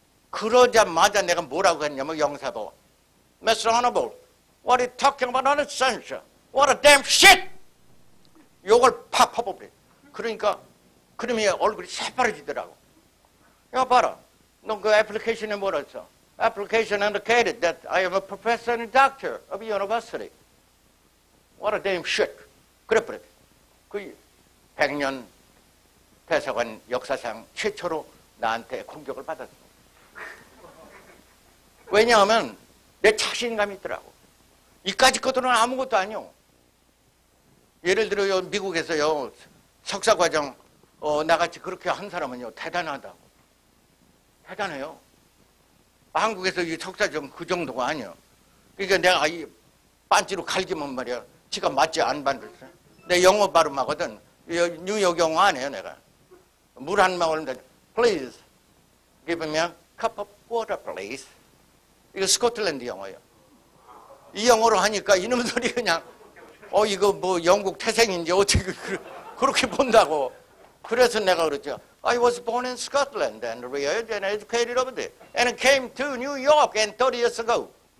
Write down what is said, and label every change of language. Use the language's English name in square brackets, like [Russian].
[Korean] 그러자마자 내가 뭐라고 했냐면 영사도 [English] Mr. Honorable, what are you talking about? Nonsense. What a damn shit. [Korean] 욕을 팍 퍼버려. 그러니까 그러면 얼굴이 새빨개지더라고. 야, 봐라. 너 그 애플리케이션에 뭐라 했어? [English] Application indicated that I am a professor and a doctor of a university. What a damn shit. [Korean] 그래. 그 100년 대사관 역사상 최초로 나한테 공격을 받았어. 왜냐하면 내 자신감이 있더라고. 이까지 것들은 아무것도 아니오. 예를 들어요, 미국에서요, 석사과정, 나같이 그렇게 한 사람은요, 대단하다고. 대단해요. 한국에서 이 석사점 그 정도가 아니야. 그러니까 내가 이 반지로 갈기면 말이야. 지가 맞지 안 받았어. 내 영어 발음 하거든. 뉴욕 영어 안 해요, 내가. 물 한 마울인데, [English] please give me a cup of water, please. [Korean] 이거 스코틀랜드 영어예요. 이 영어로 하니까 이놈 소리 그냥, 이거 뭐 영국 태생인지 어떻게 그렇게 본다고. 그래서 내가 그랬죠. [English] I was born in Scotland and reared and educated over there. And came to New York and 30 years ago.